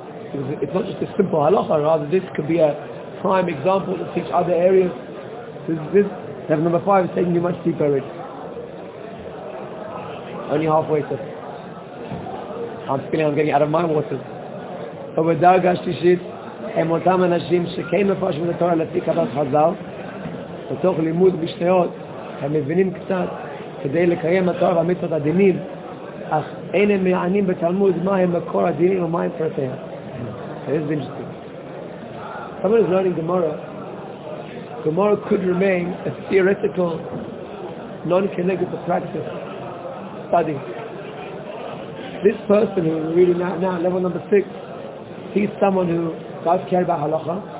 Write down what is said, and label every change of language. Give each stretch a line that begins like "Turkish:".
English: Because it's not just a simple Halacha, rather this could be a prime example to teach other areas. This level number five is taking you much deeper already. Only halfway, so I'm feeling I'm getting out of my waters. Obadiah Gashishit.
Hebrew: הם אותם אנשים שכן מפרשים את התורה לפי כתב חז"ל בתוך לימוד בשניות הם מבינים קצת כדי לקיים התורה והמצוות הדינים אך אין הם מעניינים בתלמוד מהם מקור הדינים ומהם פרטיהם.
English: This is interesting. Someone is learning Gemara. Gemara could remain a theoretical, non-connected to practice study. This person who we're reading now, level number six, he's someone who does care about halacha.